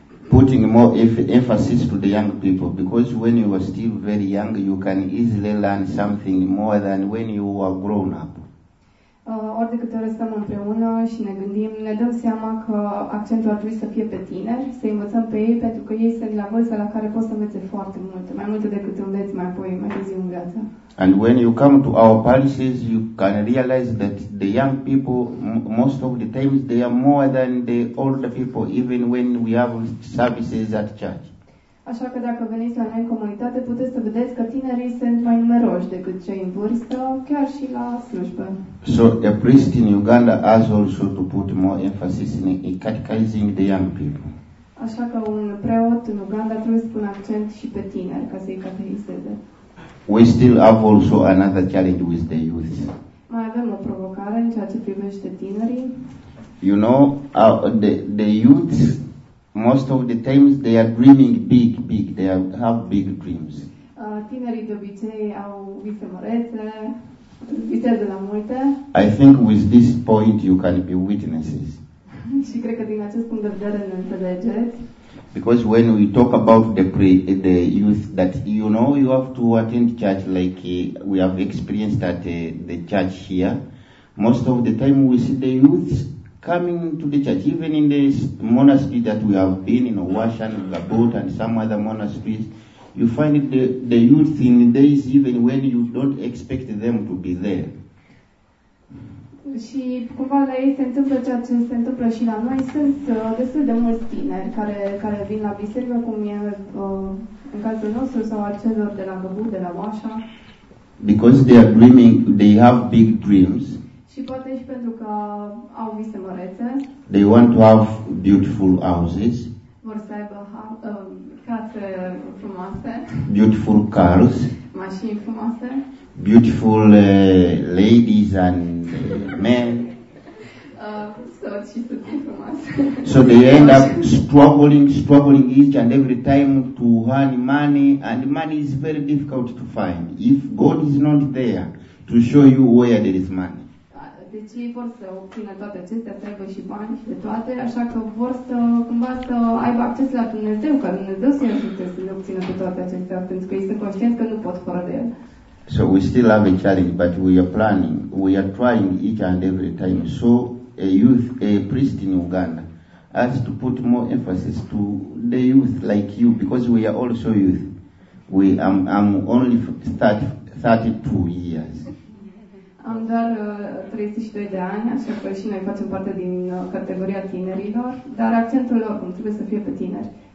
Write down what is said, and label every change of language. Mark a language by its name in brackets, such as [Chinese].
[English] putting more emphasis to the young people, because when you are still very young, you can easily learn something more than when you are grown up. [Romanian] Ori de câte ori stăm împreună și ne gândim, ne dăm seama că accentul ar trebui să fie pe tineri, să învățăm pe ei, pentru că ei sunt la vârsta la care poți să înveți foarte multe, mai multe decât înveți mai apoi, mai târziu în viață. [English] And when you come to our parishes, you can realize that the young people, most of the times, they are more than the older people, even when we have services at church. [Romanian] Așa că dacă veniți la noi în comunitate, puteți să vedeți că tinerii sunt mai numeroși decât cei în vârstă, chiar și la slujbă. [English] So a priest in Uganda has also to put more emphasis in catechizing the young people. [Romanian] Așa că un preot în Uganda trebuie să pună accent și pe tineri ca să-i catehizeze. [English] We still have also another challenge with the youth. [Romanian] Mai avem o provocare în ceea ce privește tinerii. [English] You know, the youth, most of the times they are dreaming big, they have big dreams. [Romanian] Tinerii de obicei au vise mărețe, vise de la multe. [English] I think with this point you can be witnesses. [Romanian] Și cred că din acest punct de vedere ne înțelegeți. [English] Because when we talk about the youth, that you know you have to attend church like we have experienced at the church here, most of the time we see the youth coming to the church, even in the monastery that we have been in, Washan, Gabot, and some other monasteries, you find the youth in days even when you don't expect them to be there. [Romanian] Și cumva la ei se întâmplă ceea ce se întâmplă și la noi. Sunt destul de mulți tineri care vin la biserică, cum e în cazul nostru sau al celor de la Găbu, de la Oașa. [English] Because they are dreaming, they have big dreams. [Romanian] Și poate și pentru că au vise mărețe. [English] They want to have beautiful houses. [Romanian] Vor să aibă case frumoase. [English] Beautiful cars. [Romanian] Mașini frumoase. [English] Beautiful ladies and men. So they end up struggling each and every time to earn money, and money is very difficult to find if God is not there to show you where there is money. [Romanian] Deci ei vor să obțină toate acestea, să aibă și bani și de toate, așa că vor să cumva să aibă acces la Dumnezeu, ca Dumnezeu să-i ajute să le obțină pe toate acestea, pentru că ei sunt conștienți că nu pot fără de El. [English] So we still have a challenge, but we are planning, we are trying each and every time. So a priest in Uganda has to put more emphasis to the youth like you, because we are also youth. I'm only 32 years. [Romanian] Am doar 32 de ani, așa că și noi facem parte din categoria tinerilor, dar accentul lor cum trebuie să fie pe tineri.